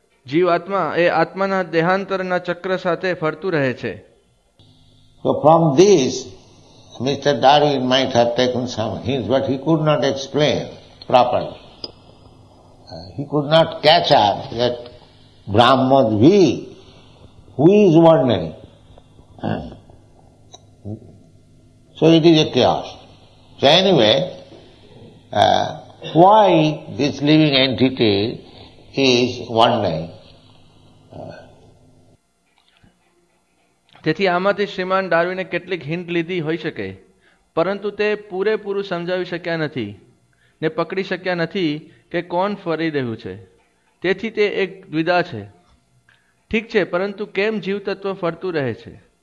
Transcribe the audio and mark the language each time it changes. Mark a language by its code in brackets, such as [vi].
[gu] જીવાત્મા એ આત્માના દેહાંતરના ચક્ર સાથે ફરતું રહે છે. [en] From this mister Darwin might have taken some hint, but he could not explain properly. He could not catch up that Brahman V, who is wandering. So it is a chaos. So anyway, why this living entity is wandering? [gu] તેથી આમાંથી શ્રીમાન ડાર્વિને કેટલીક hint લીધી હોઈ શકે, પરંતુ તે પૂરેપૂરું સમજાવી શક્યા નથી ને પકડી શક્યા નથી કે કોણ ફરી રહ્યું છે. તેથી તે એક દ્વિધા છે. ઠીક છે, પરંતુ કેમ જીવતત્વ ફરતું રહે છે?